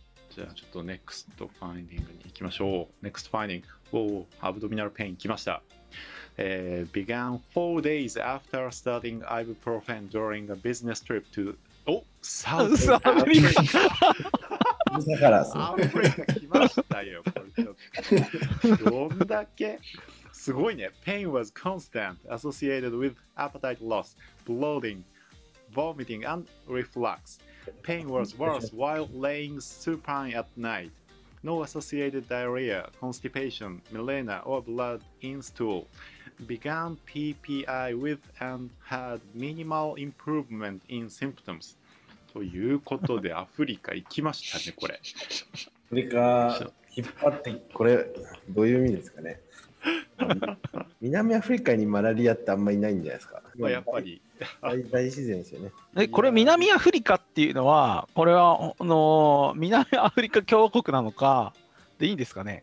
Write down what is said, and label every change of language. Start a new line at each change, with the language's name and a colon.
Japanese: じゃあちょっとネクストファインディングに行きましょう。ネクストファインディング。おお、アブドミナルペイン来ました。
English: Began 4 days after starting ibuprofen during a business trip to South Africa。
Japanese: だからさ、来ましたよ。どんだけ。すごいね。
English: Pain was constant, associated with appetite loss, bloating, vomiting, and reflux. Pain was worse while laying supine at night. No associated diarrhea, constipation, melena, or blood in stool. Began PPI with and had minimal improvement in symptoms.
Japanese: ということで、アフリカ行きましたね、これ。アフリカ引っ張って、これ、どういう意味ですかね。南アフリカにマラリアってあんまりいないんじゃないですか、まあ、やっぱり大自然ですよね。え、これ南アフリカっていうのはこれはの南アフリカ共和国なのかでいいんですかね。